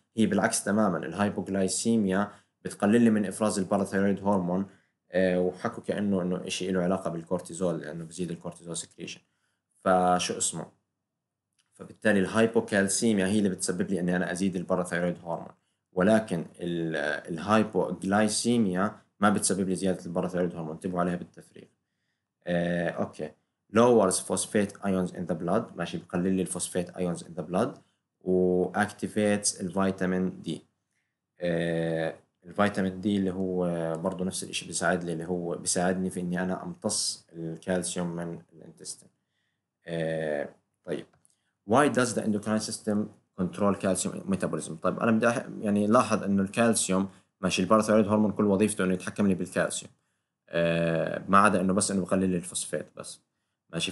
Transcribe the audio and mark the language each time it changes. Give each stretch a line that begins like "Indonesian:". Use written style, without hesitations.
Arabic: هي بالعكس تماما، الهايبوغلايسيميا بتقلل من إفراز الباراثيرويد هرمون، وحكوا كأنه إنه إشي له علاقة بالكورتيزول، لأنه بزيد الكورتيزول سكريشن. فشو اسمه، فبالتالي الهايبوكالسيميا هي اللي بتسبب لي أني أنا أزيد الباراثيرويد هرمون، ولكن الهايبوغلايسيميا ما بتسبب لي زيادة الباراثيرويد هرمون، انتبهوا عليها بالتفريغ.
English: okay, lowers phosphate ions in the blood،
Arabic: ماشي، بقلل لي الفوسفات
English: ions in the blood، وactivates الفيتامين D.
Arabic: الفيتامين دي اللي هو برضو نفس الاشي بيساعد لي، اللي هو بيساعدني في اني انا امتص الكالسيوم من الانتستين. طيب
English: why does the endocrine system control calcium metabolism؟
Arabic: طيب انا بدي يعني لاحظ انه الكالسيوم، ماشي، الباراثيرويد هرمون كل وظيفته انه يتحكم لي بالكالسيوم، ما عدا انه بس انه بقلل لي الفوسفات بس، ماشي.